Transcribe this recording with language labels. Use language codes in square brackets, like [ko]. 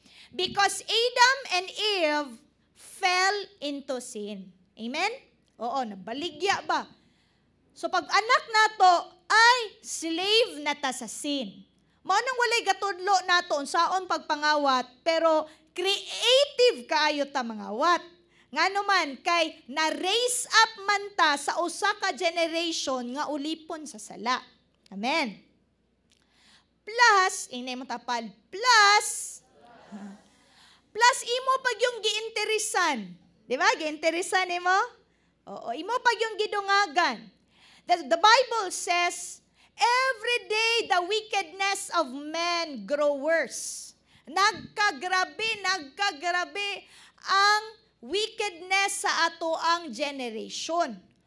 [en] Because Adam and Eve fell into sin. [ceb] Amen? Oo, nabaligya ba? So pag-anak nato, ay slave na ta sa sin. Maunang walay gatudlo nato unsaon pagpangawat, pero creative kaayo ta mangawat. Nga naman, kay na-raise up man ta sa usa ka generation nga ulipon sa sala. Amen. Plus, inay mo tapal, plus imo pag yung giinteresan. Di ba? Giinteresan imo? Oo, imo pa yung gidungagan. [en] The Bible says, every day the wickedness of men grow worse. [ceb] Nagkagrabe ang wickedness sa ato ang generation.